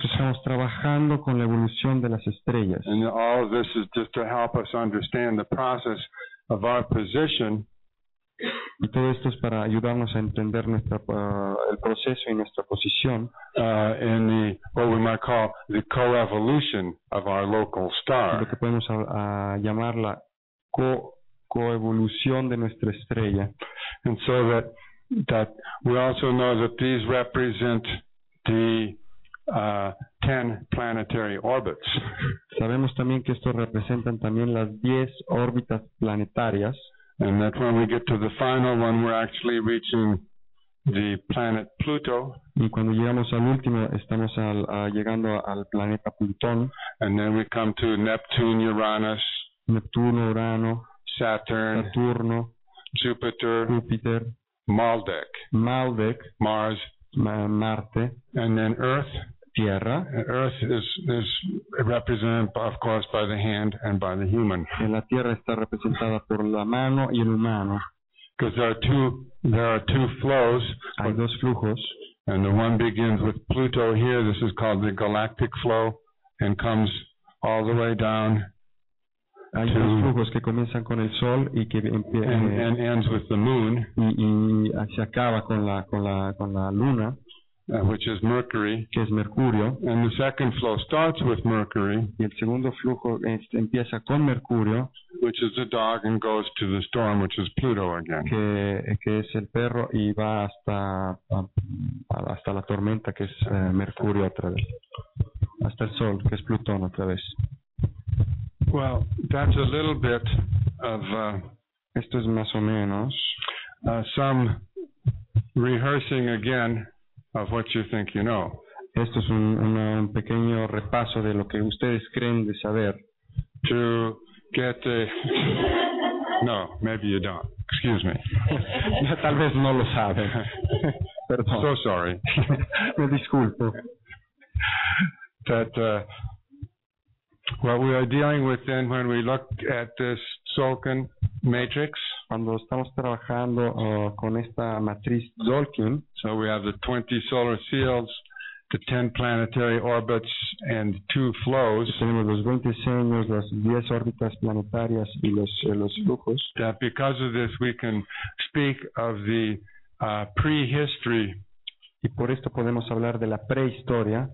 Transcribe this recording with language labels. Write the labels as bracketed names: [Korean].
[Spanish] Porque estamos trabajando con la evolución de las estrellas. [English] And all of this is just to help us understand the process of our position. [Spanish] Y todo esto es para ayudarnos a entender el proceso y nuestra posición [English] in the, what we might call the co-evolution of our local star. [Spanish] Lo que podemos llamar la coevolución de nuestra estrella. [English] And so that we also know that these represent the 10 planetary orbits. [Spanish] Sabemos también que estos representan también las 10 órbitas planetarias. [English] And that when we get to the final one, we're actually reaching the planet Pluto. [Spanish] Y cuando llegamos al último, estamos llegando al planeta Plutón. [English] And then we come to Neptune, Uranus. [Spanish] Neptuno, Urano. [English] Saturn. [Spanish] Saturno. [English] Jupiter. [Spanish] Júpiter. [English] Maldek. [Spanish] Maldek. [English] Mars. [Spanish] Marte. [English] And then Earth. [Spanish] Tierra. [English] Earth is represented, of course, by the hand and by the human. [Spanish] Y la Tierra está representada por la mano y el humano. [English] Because there are two flows. [Spanish] Hay dos flujos. [English] And the one begins with Pluto here. This is called the galactic flow and comes all the way down. [Spanish] Hay [English] to, [Spanish] dos flujos que comienzan con el sol y que [English] and ends with the moon. [Spanish] Y se acaba con la luna. [English] Which is Mercury. [Spanish] Que es Mercurio. [English] And the second flow starts with Mercury. [Spanish] Y el segundo flujo empieza con Mercurio. [English] Which is the dog and goes to the storm, which is Pluto again. [Spanish] Que es el perro y va hasta la tormenta, que es Mercurio otra vez. Hasta el sol, que es Plutón otra vez. [English] Well, that's a little bit of... [Spanish] Esto es más o menos... [English] Some rehearsing again... Of what you think you know. [Spanish] Esto es un pequeño repaso de lo que ustedes creen de saber. [English] To get the... No, maybe you don't. Excuse me. [Spanish] Tal vez no lo saben. Perdón. [English] So sorry. [Spanish] Me disculpo. [English] That what we are dealing with then when we look at this Zolkin matrix. [Spanish] Cuando estamos trabajando con esta matriz Zolkin, [English] so we have the 20 solar seals, the 10 planetary orbits, and two flows. [Spanish] Tenemos los 20 signos, las 10 órbitas planetarias y los flujos. [English] That because of this, we can speak of the prehistory. [Spanish] Y por esto podemos hablar de la prehistoria.